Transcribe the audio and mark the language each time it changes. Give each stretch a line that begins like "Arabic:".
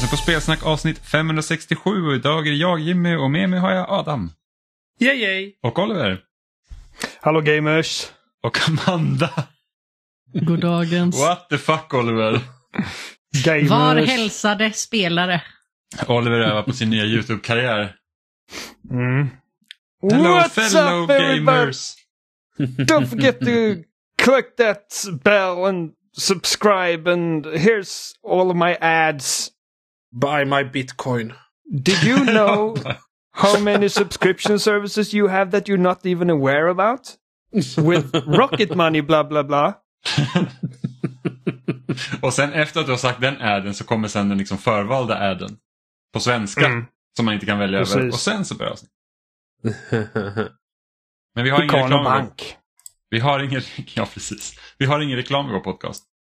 Swedish: Spelsnack avsnitt 567 och idag är jag Jimmy och med mig har jag Adam. Yay, yay. Och Oliver. Hallå gamers. Och Amanda. God dagens.
English: What the fuck Oliver?
Swedish: Gamers. Var hälsade spelare. Oliver övar på sin nya YouTube-karriär. Mm.
English: Hello What's fellow up, gamers. Don't forget to click that bell and subscribe and here's all of my ads. Buy my Bitcoin. Did you know how many subscription services you have that you're not even aware about? With Rocket Money, blah, blah, blah.
Swedish: Och sen efter att du har sagt den adden så kommer sen den liksom förvalda adden. På svenska. Mm. Som man inte kan välja Precis. Över. Och sen så börjar jag. Men vi har ingen reklam. Vi har ingen reklam. Ja, precis. Vi har ingen reklam i vår podcast.